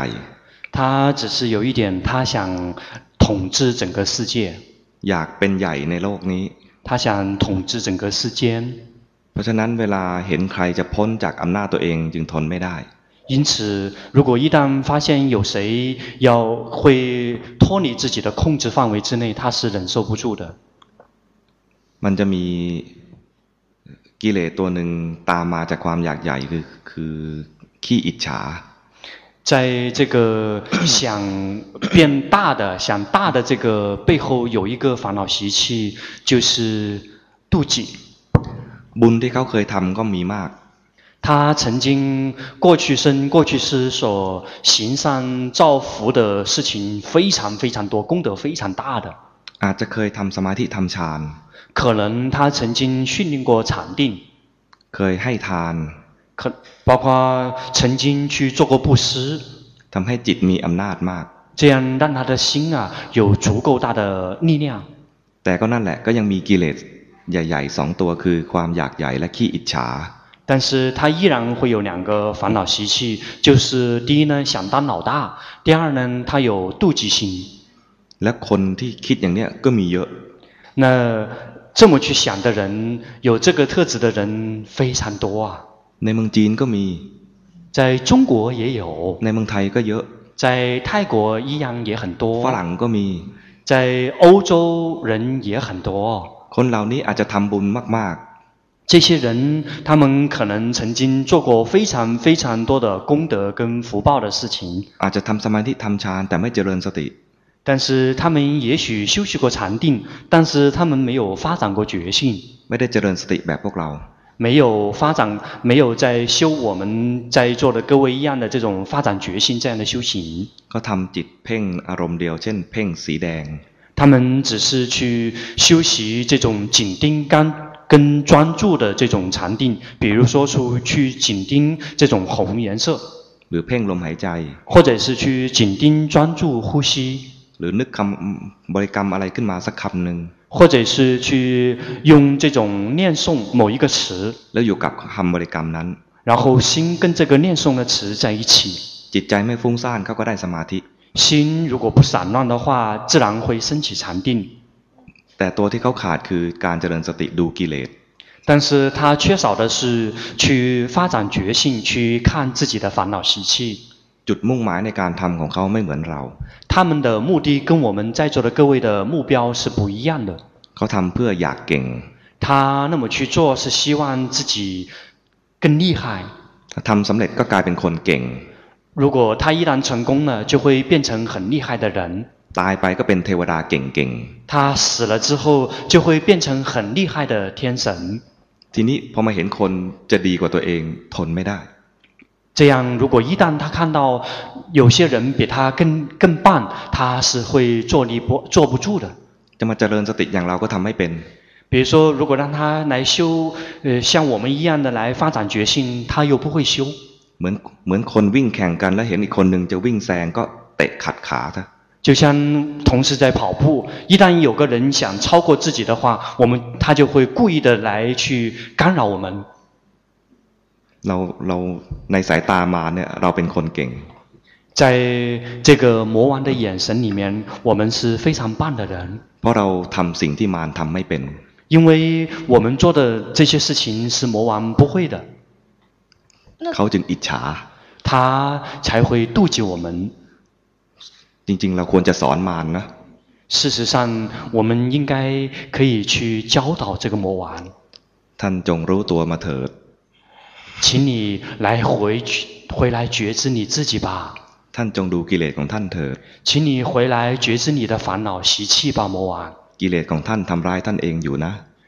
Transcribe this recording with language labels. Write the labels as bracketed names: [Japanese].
[Chinese] 他只是有一点他想统治整个世界 [Thai] อยากเป็นใหญ่ในโลกนี้ [Chinese] 他想统治整个世间 [Thai] เพราะฉะนั้นเวลาเห็นใครจะพ้นจากอำนาจตัวเองจึงทนไม่ได้ [Chinese] 因此如果一旦发现有谁要会脱离自己的控制范围之内他是忍受不住的 [Thai] มันจะมีกิเลสตัวหนึ่งตามมาจากความอยากใหญ่คือขี้อิจฉา [Chinese] 在这个想变大的想大的这个背后有一个烦恼习气就是妒忌 [Thai] บุญที่เขาเคยทำก็มีมาก [Chinese] 他曾经过去生过去世所行善造福的事情非常非常多功德非常大的 [Thai] อาจจะเคยทำสมาธิทำฌาน [Chinese] 可能他曾经训练过禅定 [Thai] เคยให้ทาน [Chinese] 包括曾经去做过布施 [Thai] ทำให้จิตมีอำนาจมาก [Chinese] 这样让他的心啊有足够大的力量 [Thai] แต่ก็นั่นแหละก็ยังมีกิเลสใหญ่ๆสองตัวคือความอยากใหญ่และขี้อิจฉา [Chinese] 但是他依然会有两个烦恼习气就是第一呢想当老大第二呢他有妒忌心 [Thai] และคนที่คิดอย่างเนี้ยก็มีเยอะ [Chinese] 那这么去想的人有这个特质的人非常多啊 [Thai] ในเมืองจีนก็มี [Chinese] 在中国也有 [Thai] ในเมืองไทยก็เยอะ [Chinese] 在泰国一样也很多 [Thai] ฝรั่งก็มี [Chinese] 在欧洲人也很多 [Thai] คนเหล่านี้อาจจะทำบุญมาก [Chinese] ๆ这些人他们可能曾经做过非常非常多的功德跟福报的事情 [Thai] อาจจะทำสมาธิทำฌานแต่ไม่เจริญสติ [Chinese] 但是他们也许修习过禅定但是他们没有发展过觉性 [Thai] ไม่ได้เจริญสติแบบพวกเรา [Chinese] 没有发展没有在修我们在座的各位一样的这种发展决心这样的修行 [Thai] ก็ทำจิตเพ่งอารมณ์เดียวเช่นเพ่งสีแดง [Chinese] 他们只是去修习这种紧盯干跟专注的这种禅定比如说出去紧盯这种红颜色 [Thai] หรือเพ่งลมหายใจ [Chinese] 或者是去紧盯专注呼吸 [Thai] หรือนึกคำบริกรรมอะไรขึ้นมาสักคำหนึ่ง [Chinese] 或者是去用这种念诵某一个词 [Thai] แล้วอยู่กับคำบริกรรมนั้น [Chinese] 然后心跟这个念诵的词在一起 [Thai] จิตใจไม่ฟุ้งซ่านเขาก็ได้สมาธิ [Chinese] 心如果不散乱的话自然会升起禅定 [Thai] แต่ตัวที่เขาขาดคือการเจริญสติดูกิเลส [Chinese] 但是他缺少的是去发展觉性去看自己的烦恼习气 [Thai] จุดมุ่งหมายในการทำของเขาไม่เหมือนเรา [Chinese] 他们的目的跟我们在座的各位的目标是不一样的 [Thai] เขาทำเพื่ออยากเก่ง [Chinese] 他那么去做是希望自己更厉害 [Thai] ทำสำเร็จก็กลายเป็นคนเก่ง [Chinese] 如果他一旦成功了就会变成很厉害的人 [Thai] ตายไปก็เป็นเทวดาเก่ง [Chinese] ๆ他死了之后就会变成很厉害的天神 [Thai] ทีนี้พอมาเห็นคนจะดีกว่าตัวเองทนไม่ได้ [Chinese] 这样如果一旦他看到有些人比他更棒他是会坐不住的 [Thai] จะมาเจริญสติอย่างเราก็ทำไม่เป็น [Chinese] 比如说如果让他来修像我们一样的来发展决心他又不会修 [Thai] เหมือนคนวิ่งแข่งกันแล้วเห็นอีกคนหนึ่งจะวิ่งแซงก็ [Chinese] 被卡卡的。就像同时在跑步，一旦有个人想超过自己的话，他就会故意的来去干扰我们。 [Thai] เราในสายตามาเนี่ยเราเป็นคนเก่ง。 [Chinese] 在这个魔王的眼神里面，我们是非常棒的人。 [Thai] เพราะเราทำสิ่งที่มารทำไม่เป็น。 [Chinese] 因为我们做的这些事情是魔王不会的。 [Thai] เขาจึงอิจฉา。 [Chinese] 他才会妒忌我们。 [Thai] จริงๆเราควรจะสอนมารนะ。 [Chinese] 事实上，我们应该可以去教导这个魔王。 [Thai] ท่านจงรู้ตัวมาเถิด。 [Chinese] 请你来回来觉知你自己吧。 [Thai] ท่านจงดูกิเลสของท่านเถิด。 [Chinese] 请你回来觉知你的烦恼习气吧，魔王。 [Thai] กิเลสของท่านทำร้ายท่านเองอยู่นะ。